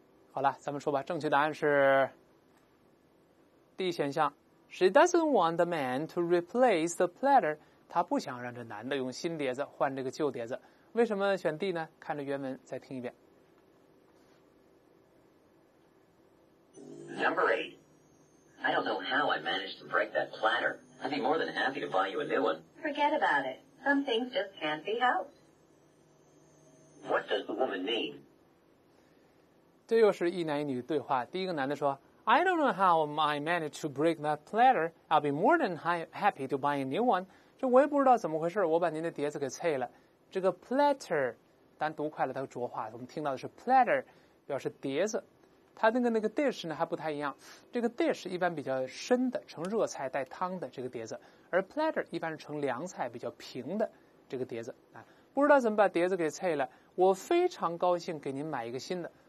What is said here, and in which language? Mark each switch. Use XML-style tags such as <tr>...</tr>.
<zh>好了，咱们说吧，正确答案是 D 选项。</zh> <en>She doesn't want the man to replace the platter.</en> <zh>她不想让这男的用新碟子换这个旧碟子。为什么选 D 呢？看着原文再听一遍。</zh> <en>Number 8. I don't know how I managed to break that platter. I'd be more than happy to buy you a new one. Forget about it. Some things just can't be helped. What does the woman mean?</en> <zh>这又是一男一女的对话。第一个男的说</zh> <en>I don't know how I managed to break that platter. I'll be more than happy to buy a new one.</en> <zh>这我也不知道怎么回事，我把您的碟子给碎了。这个 platter 单独快了它浊化，我们听到的是 platter 表示碟子。它那个dish 呢还不太一样，这个 dish 一般比较深的盛热菜带汤的这个碟子，而 platter 一般是盛凉菜比较平的这个碟子、啊、不知道怎么把碟子给碎了，我非常高兴给您买一个新的。</zh>